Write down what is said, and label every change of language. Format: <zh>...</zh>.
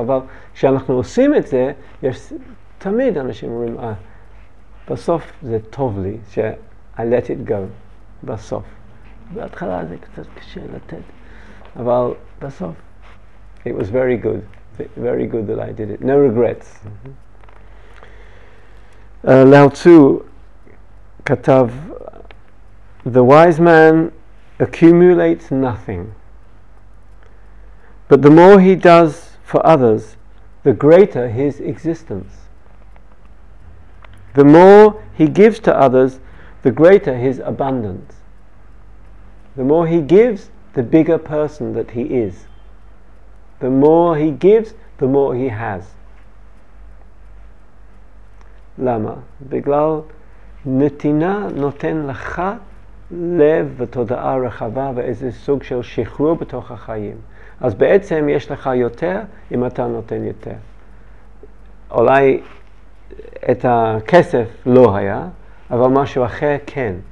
<he>אבל כשאנחנו עושים את זה, יש... תמיד אנשים אומרים, בסוף זה טוב לי, ש-</he> <en>I let it go,</en> <he>בסוף. בהתחלה זה קצת קשה לתת, אבל בסוף,</he> <en>it was very good, very good that I did it, no regrets. Lao Tzu</en> <he>כתב,</he> <en>the wise man accumulates nothing, but the more he does for others, the greater his existence. The more he gives to others, the greater his abundance. The more he gives, the bigger person that he is. The more he gives, the more he has.</en> <he>Lama, בגלל נתינה נותן לך לב ותודעה רחבה ואיזה סוג של שחרור בתוך החיים. אז בעצם יש לך יותר אם אתה נותן יותר. אולי את הכסף לא היה, אבל משהו אחר כן.</he>